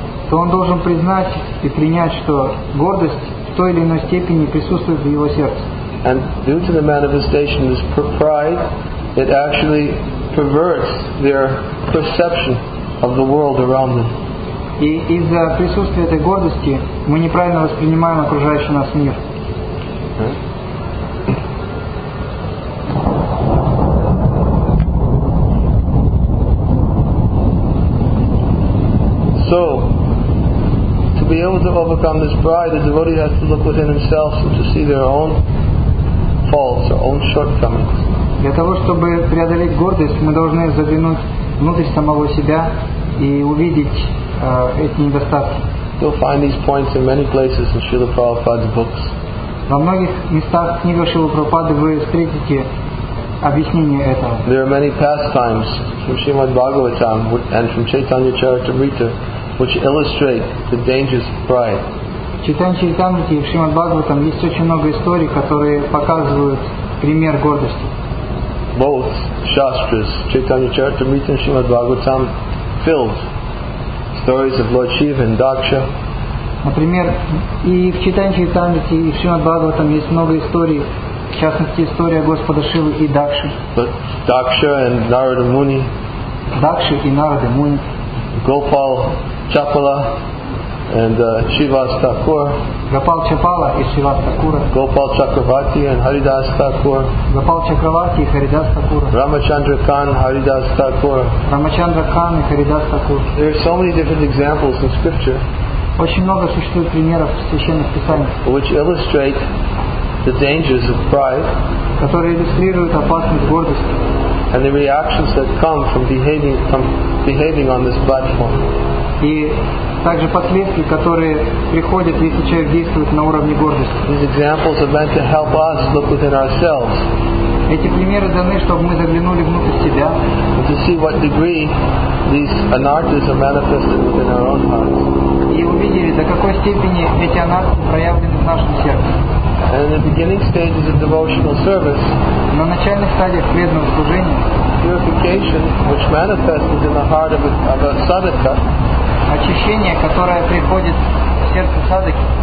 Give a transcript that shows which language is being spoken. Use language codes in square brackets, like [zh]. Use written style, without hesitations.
[ru] То он должен признать и принять, что гордость в той или иной степени присутствует в его сердце. [en] And due to the manifestation of this pride, it actually perverts their perception of the world around them. [ru] И из-за присутствия этой гордости мы неправильно воспринимаем окружающий нас мир. [en] So, to be able to overcome this pride, the devotee has to look within himself and to see their own faults, their own shortcomings. [ru] Для того, чтобы преодолеть гордость, мы должны заглянуть внутрь самого себя и увидеть эти недостатки. [en] You'll find these points in many places in Srila Prabhupada's books. [ru] Во многих местах книги Шрилы Прабхупады вы встретите объяснение этого. [en] There are many pastimes from Srimad Bhagavatam and from Chaitanya Charitamrita which illustrate the dangers of pride. [ru] Читая Чайтанью и Шримад Бхагаватам, есть очень много историй, которые показывают пример гордости. [en] Both shastras, Chaitanya Charitamrita and Srimad Bhagavatam, filled stories of Lord Shiva and Daksha. [ru] Например, и в Читании Чайтаньи и в Шримад Бхагаватам есть много историй, в частности, история Господа Шивы и Дакши. Дакша и Нарада Муни. Дакши и Нарада Муни. Гопал Чапала и Шивас Такур. Гопал Чапала и Шивас Такура. Гопал Чакравати и Харидас Такур. Гопал Чакравати и Харидас Такур. Рамачандра Кан, Харидас Такур. Рамачандра Кан и Харидас Такур. [en] There are so many different examples in scripture. [ru] Очень много существует примеров в священных писаниях, [en] which illustrate the dangers of pride, [ru] которые иллюстрируют опасность гордости, [en] and the reactions that come from behaving on this platform. [ru] И также последствия, которые приходят, если человек действует на уровне гордости. [en] These examples are meant to help us look within ourselves. [ru] Эти примеры даны, чтобы мы заглянули внутрь себя, [en] to see what degree these anarthas are manifested within our own hearts. [ru] И увидели, до какой степени эти анархи проявлены в нашем сердце. [en] And in the beginning stages of devotional service, [ru] на начальных стадиях преданного служения, [en] purification, which manifests in the heart of a sadhaka, [ru] очищение, которое приходит в сердце садыки,